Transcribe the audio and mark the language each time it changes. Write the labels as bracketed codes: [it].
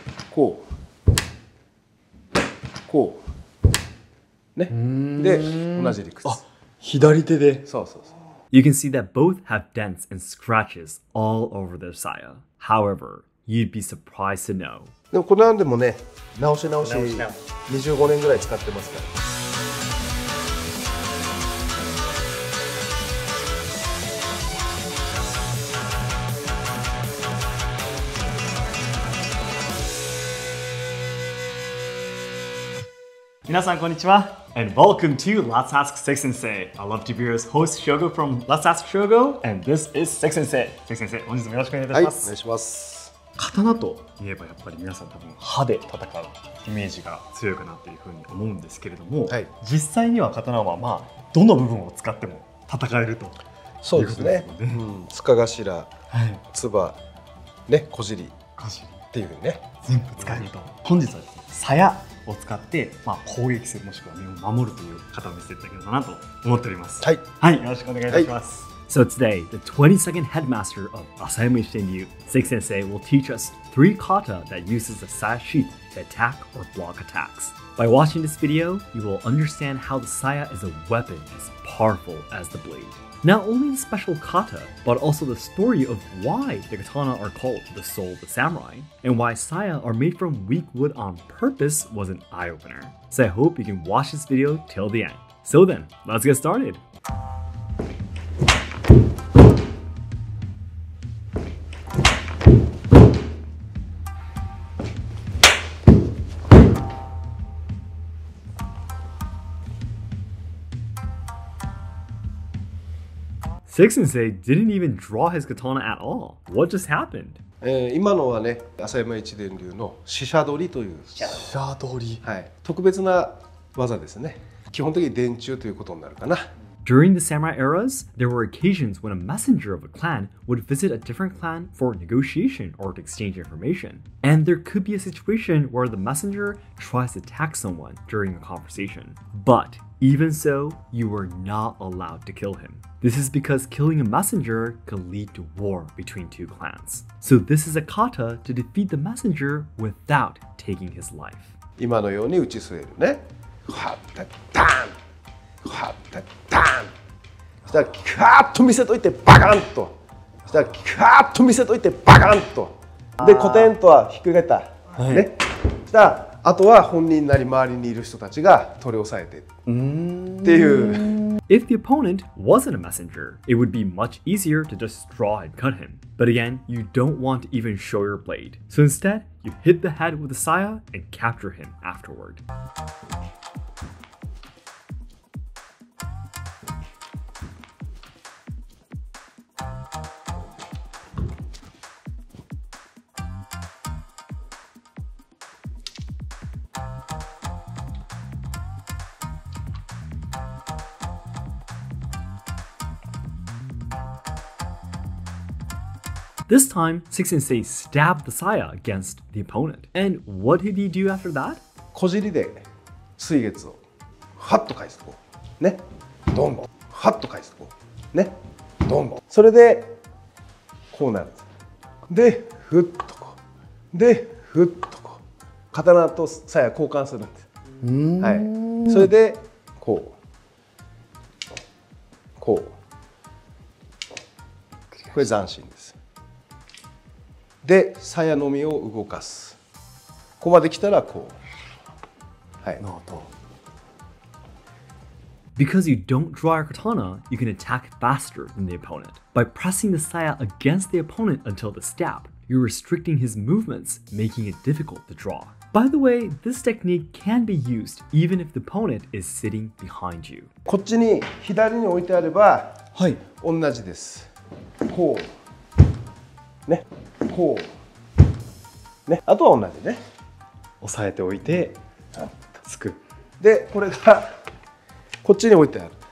[ja] こうこうね、で同じ理屈。あ、左手で。そうそうそう。 [en] You can see that both have dents and scratches all over their sayo. However, you'd be surprised to know. [ja] でもこれなんでもね、直し25年ぐらい使ってますから。 [en] 皆さんこんにちは。 And welcome to Let's Ask Seki Sensei. I love to be your host Shogo from Let's Ask Shogo. And this is Seki Sensei. [ja] Seki Sensei, 本日もよろしくお願いいたします。はい、お願いします。刀といえばやっぱり皆さん多分歯で戦うイメージが強いかなというふうに思うんですけれども、はい、実際には刀はまあどの部分を使っても戦えるということですね。そうですね。うん、塚頭、はい、唾、ね、小尻っていうふうにね。全部使えると。本日はですね、鞘を使って、まあ、攻撃するもしくは身を守るという方を見せていただけたらなと思っております。はい、はい、よろしくお願いします、はい、 [en] So today, the 22nd headmaster of Asayami Shinryu, Seki Sensei will teach us three kata that uses the saya sheath to attack or block attacks. By watching this video, you will understand how the saya is a weapon as powerful as the blade. Not only the special kata, but also the story of why the katana are called the soul of the samurai, and why saya are made from weak wood on purpose was an eye-opener. So I hope you can watch this video till the end. So then, let's get started! Seki Sensei didn't even draw his katana at all. What just happened? [ja] 今のはね、朝山一伝流の四捨取りという。四捨取り。はい。特別な技ですね。基本的に伝中ということになるかな。 [en] During the samurai eras, there were occasions when a messenger of a clan would visit a different clan for negotiation or to exchange information. And there could be a situation where the messenger tries to attack someone during a conversation. But even so, you were not allowed to kill him. This is because killing a messenger could lead to war between two clans. So this is a kata to defeat the messenger without taking his life. [ja] 今のように打ち据えるね。ハッタダーン。ハッタダーン。そしたらカーッと見せといてバカンと。そしたらカーッと見せといてバカンと。で、コテンとは引っ掛けた。はい。ね。そしたらあとは本人なり周りにいる人たちが取り押さえてっていう。 [en] If the opponent wasn't a messenger, it would be much easier to just draw and cut him. But again, you don't want to even show your blade. So instead, you hit the head with the saya and capture him afterward. This time, Seki Sensei stabbed the saya against the opponent. And what did he do after that? [ja] 小尻で水月をハッと返すとこう。ね。ドンと。ハッと返すとこう。ね。ドンと。それで、こうなる。で、フッとこう。で、フッとこう。刀と鞘交換するんです。それで、こう。こう。これ斬新です。で、鞘の身を動かす。ここまで来たらこう。はい。なるほど。 [en] Because you don't draw your katana, you can attack faster than the opponent. By pressing the saya against the opponent until the stab, you're restricting his movements, making it difficult to draw. By the way, this technique can be used even if the opponent is sitting behind you. [ja] こっちに左に置いてあれば、はい、同じです。こう。ね。こう、ね、あとは同じね、押さえておいて、つく。で、これがこっちに置いてある。